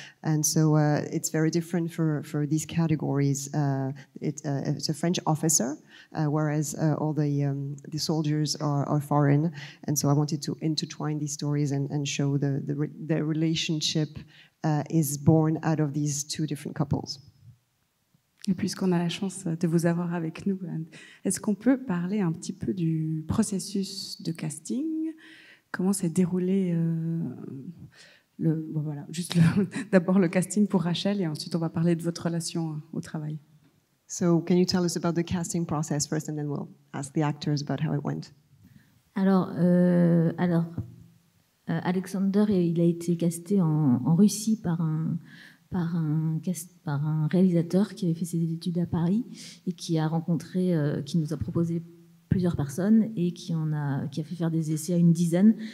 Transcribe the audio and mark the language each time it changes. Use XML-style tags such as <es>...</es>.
<en>And so it's very different for these categories. It's a French officer, whereas all the soldiers are foreign. And so I wanted to intertwine these stories and show the relationship is born out of these two different couples.</en> <fr>Et puisqu'on a la chance de vous avoir avec nous, est-ce qu'on peut parler un petit peu du processus de casting? Comment s'est déroulé d'abord le casting pour Rachel, et ensuite on va parler de votre relation au travail.</fr> <en>So, can you tell us about the casting process first, and then we'll ask the actors about how it went?</en> <fr>Alors, Alexander, il a été casté en Russie par un réalisateur qui avait fait ses études à Paris et qui a rencontré, qui nous a proposé plusieurs personnes et qui a fait faire des essais à une dizaine.</fr>